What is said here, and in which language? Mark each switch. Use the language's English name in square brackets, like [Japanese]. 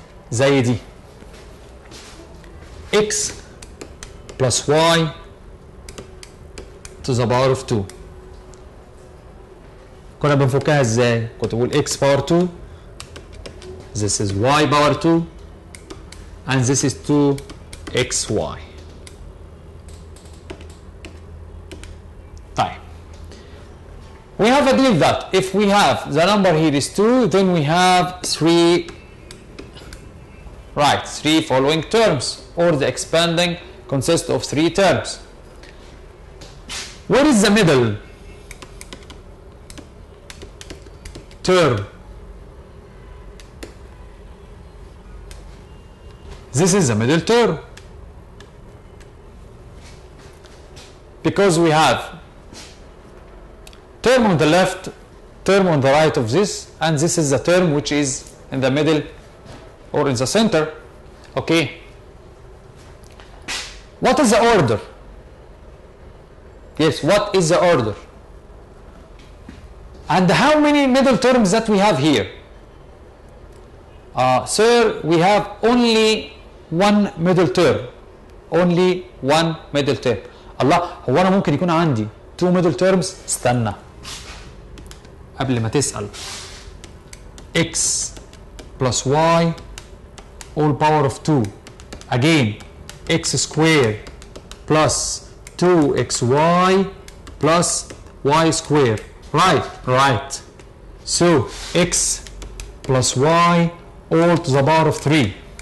[English] زي this x plus y to the power of 2 [Arabic] كنا بنفكها ازاي؟ كنت بقول [English] X power 2 this is y power 2 and this is 2 xy. طيب we have a deal that if we have the number here is 2 then we have 3 right 3 following terms or the expanding consists of 3 terms. What is the middle term? This is the middle term because we have term on the left, term on the right of this, and this is the term which is in the middle or in the center. Okay. What is the order? Yes, what is the order? And how many middle terms that we have here? Sir, we have only one middle term. Only one middle term. [Arabic] الله هو انا ممكن يكون عندي [English] two middle terms. [Arabic] استنى قبل ما تسأل [English] x plus y all power of 2 again x square plus 2xy plus y square right right so x plus y all to the power of 3